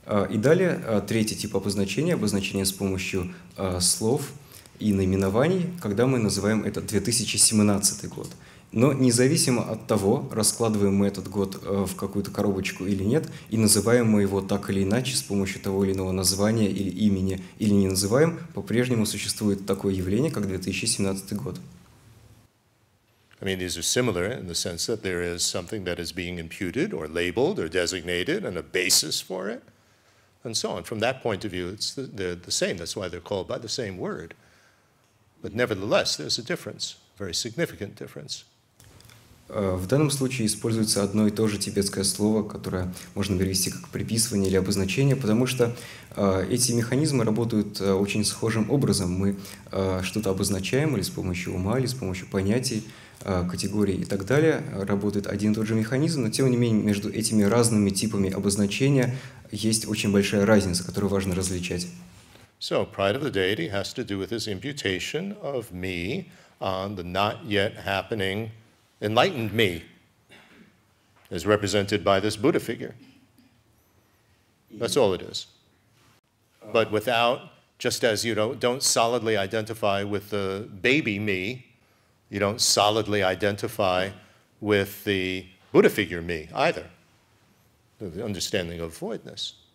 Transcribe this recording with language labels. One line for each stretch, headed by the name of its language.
Russian: И далее третий тип обозначения, обозначение с помощью слов и наименований, когда мы называем это 2017 год. Но независимо от того, раскладываем мы этот год в какую-то коробочку или нет, и называем мы его так или иначе с помощью того или иного названия или имени, или не называем, по-прежнему существует такое явление, как 2017 год.
English: I mean, these are similar in the sense that there is something that is being imputed or labeled or designated and a basis for it, and so on. From that point of view, it's the same. That's why they're called by the same word. But nevertheless, there's a difference, very significant difference.
Russian: В данном случае используется одно и то же тибетское слово, которое можно перевести как приписывание или обозначение, потому что эти механизмы работают очень схожим образом. Мы что-то обозначаем или с помощью ума, или с помощью понятий, категорий и так далее. Работает один и тот же механизм, но тем не менее между этими разными типами обозначения есть очень большая разница, которую важно различать.
English: So, pride of the deity has to do with this imputation of me on the not yet happening enlightened me, as represented by this Buddha figure. That's all it is. But without, just as you don't solidly identify with the baby me, you don't solidly identify with the Buddha figure me either, the understanding of voidness.